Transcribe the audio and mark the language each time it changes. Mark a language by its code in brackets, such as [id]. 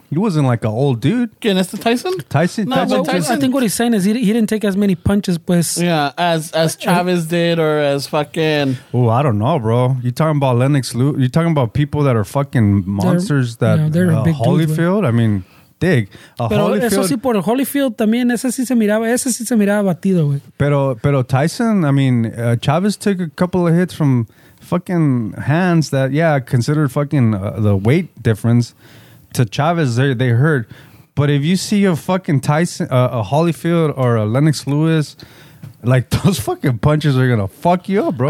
[en] He wasn't like an old dude. Again, that's the Tyson? Tyson. No, Tyson. But Tyson. I think what he's saying is he didn't take as many punches, pues. Yeah, as Chavez did or as fucking... Oh, I don't know, bro. You talking about Lennox Lewis? You talking about people that are fucking monsters they're a big Holyfield? Dudes, I mean, dig. [es] Pero Holyfield, eso sí, por el Holyfield también, ese sí se miraba batido, güey. [en] Pero Tyson, I mean, Chavez took a couple of hits from... fucking hands that, yeah, considered fucking the weight difference to Chavez, they hurt. But if you see a fucking Tyson, a Holyfield or a Lennox Lewis, like those fucking punches are gonna fuck you up, bro.